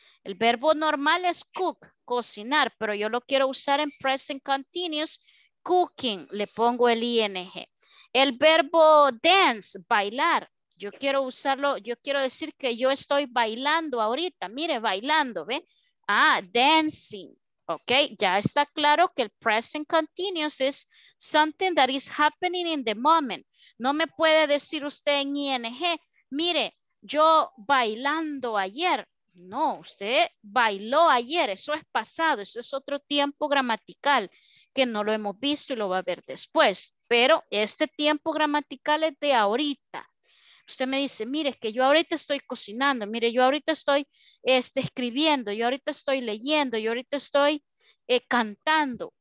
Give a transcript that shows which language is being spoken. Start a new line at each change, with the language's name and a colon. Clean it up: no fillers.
Spanish: El verbo normal es cook, cocinar, pero yo lo quiero usar en present continuous, cooking, le pongo el ing. El verbo dance, bailar, yo quiero usarlo, yo quiero decir que yo estoy bailando ahorita, mire, bailando, ¿ve? Ah, dancing. Ok, ya está claro que el
English: present continuous is something that is happening in the moment.
Spanish: No me puede decir usted en ing, mire, yo bailando ayer. No, usted bailó ayer, eso es pasado, eso es otro tiempo gramatical que no lo hemos visto y lo va a ver después. Pero este tiempo gramatical es de ahorita. Usted me dice, mire, es que yo ahorita estoy cocinando, mire, yo ahorita estoy escribiendo, yo ahorita estoy leyendo, yo ahorita estoy cantando.